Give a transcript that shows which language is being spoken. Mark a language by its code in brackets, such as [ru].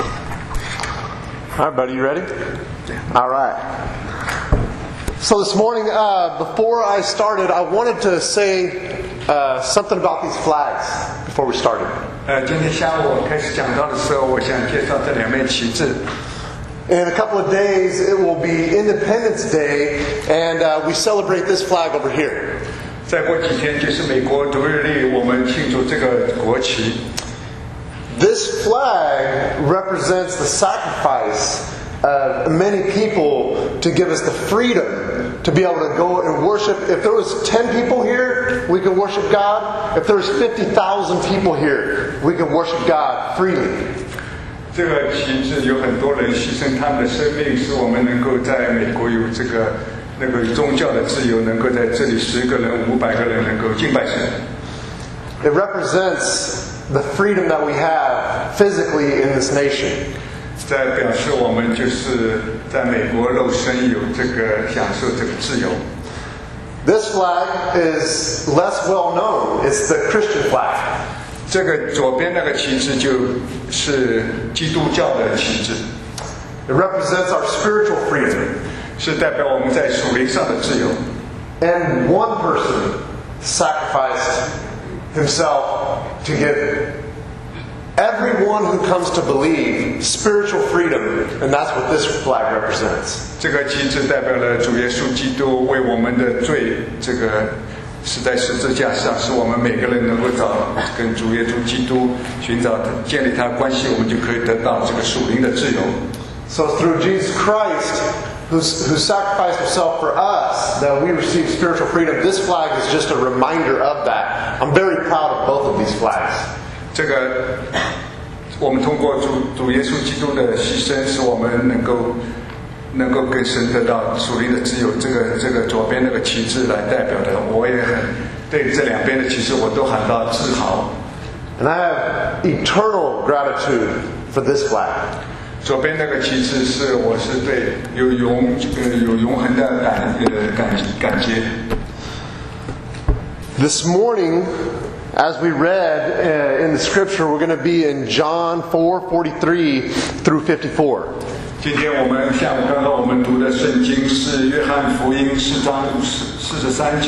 [en] Everybody, you ready? All right. So this morning, before I started, I wanted to say something about these flags before we started. [zh] 今天下午我开始讲到的时候，我想介绍这两面旗帜。 [en] In a couple of days, it will be Independence Day, and we celebrate this flag over here. [zh] 再过几天就是美国独立日，我们庆祝这个国旗。 [en] This flag represents the sacrifice of many people to give us the freedom to be able to go and worship. If there was 10 people here, we could worship God. If there was 50,000 people here, we could worship God freely. [zh] 这个旗帜有很多人牺牲他们的生命，使我们能够在美国有这个那个宗教的自由，能够在这里十个人、五百个人能够敬拜神。 [en] It represents the freedom that we have physically in this nation. [zh] 在表示我们就是在美国肉身有这个享受这个自由。 [en] This flag is less well known. It's the Christian flag. [zh] 这个左边那个旗帜就是基督教的旗帜。 [en] It represents our spiritual freedom. [zh] 是代表我们在属灵上的自由。 [en] And one person sacrificed himself to give everyone who comes to believe spiritual freedom, and that's what this flag represents. [zh] 这个旗帜代表了主耶稣基督为我们的罪，这个死在十字架上，使我们每个人能够找跟主耶稣基督寻找建立他的关系，我们就可以得到这个属灵的自由。 [en] So through Jesus Christ, who sacrificed himself for us, that we receive spiritual freedom, this flag is just a reminder of that. I'm very proud of both of these flags. [zh] 这个我们通过 主耶稣基督的牺牲，使我们能够跟神得到属灵的自由。这个左边那个旗帜来代表的，我也很对这两边的旗帜我都感到自豪。 [en] And I have eternal gratitude for this flag. [zh] 左边那个旗帜是我是对有永恒的感激。 [en] This morning, as we read in the scripture, we're going to be in John 4:43-54. [zh] 今天我们像刚刚我们读的圣经是约翰福音4:43-54.